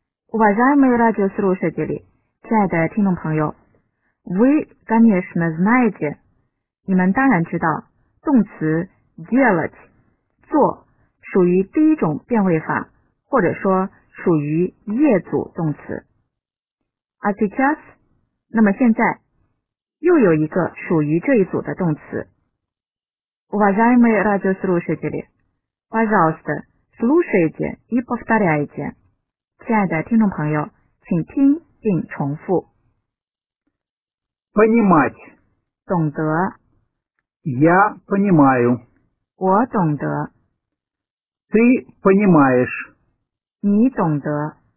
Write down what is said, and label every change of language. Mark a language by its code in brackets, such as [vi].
[ru] Уважаемые радиослушатели, [zh] 亲爱的听众朋友, [ru] вы, конечно, знаете, [zh] 你们当然知道动词 делать, 做属于第一种变位法或者说属于业主动词。 [ru] А сейчас, [zh] 那么现在又有一个属于这一组的动词。 [ru] Уважаемые радиослушатели, пожалуйста, слушайте и повторяйте. [zh] 亲爱的听众朋友，请听并重复。 [ru] Понимать, [zh] 懂得。 [ru] Я понимаю, [zh] 我懂得。 [ru] Ты понимаешь, [zh] 你懂得。